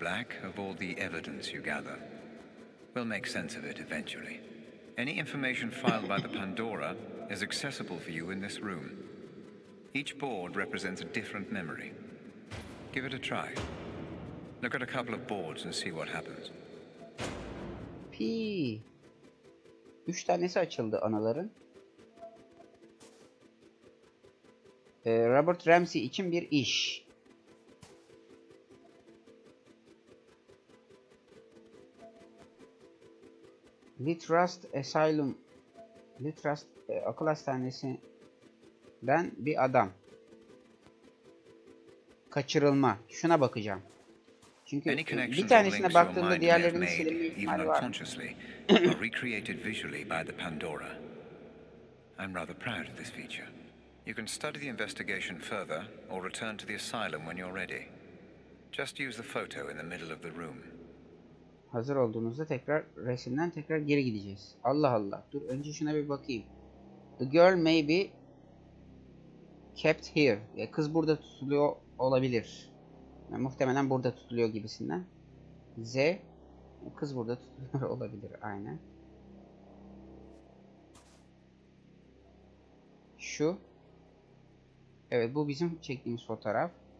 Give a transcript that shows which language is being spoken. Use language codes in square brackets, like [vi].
[en] Black, of all the evidence you gather. We'll make sense of it eventually. Any information filed by the Pandora is accessible for you in this room. Each board represents a different memory. Give it a try. Look at a couple of boards and see what happens. Pii. [tr] 3 tanesi açıldı anaların. Robert Ramsey için bir iş. Litrust Asylum, Litrust Akıl Hastanesi'nden bir adam. Kaçırılma. Şuna bakacağım. Çünkü bir tanesine baktığında diğerlerinin silinme ihtimali var. [en] You can study the investigation further, or return to the asylum when you're ready. Just use the photo in the middle of the room. [tr] Hazır olduğunuzda tekrar resimden tekrar geri gideceğiz. Allah Allah. Dur önce şuna bir bakayım. [en] The girl may be kept here. [tr] Ya kız burada tutuluyor olabilir. Yani muhtemelen burada tutuluyor gibisinden. Z. Kız burada tutuluyor olabilir. Aynen. Şu. Evet, bu bizim çektiğimiz fotoğraf.